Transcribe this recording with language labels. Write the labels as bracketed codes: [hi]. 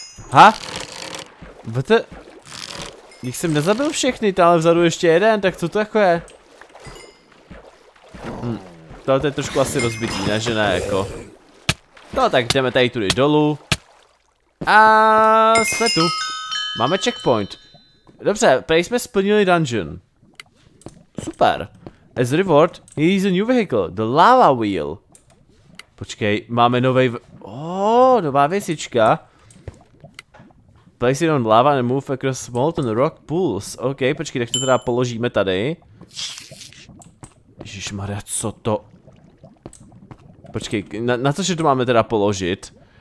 [cs] Ha? Vete? Když jsem nezabil všechny, ale vzadu ještě jeden, tak co to jako je? Tohle to je trošku asi rozbitý, ne? Že ne, jako. No tak jdeme tady tudy dolů. A jsme tu. Máme checkpoint. Dobře, prej jsme splnili dungeon. Super. [en] As a reward, here is a new vehicle, the lava wheel. [cs] Počkej, máme nový. Nová věcička. [en] Place it on lava and move across molten rock pools. [cs] OK, počkej, tak to teda položíme tady. Ježišmarja, co to? Počkej, na co že to máme teda položit?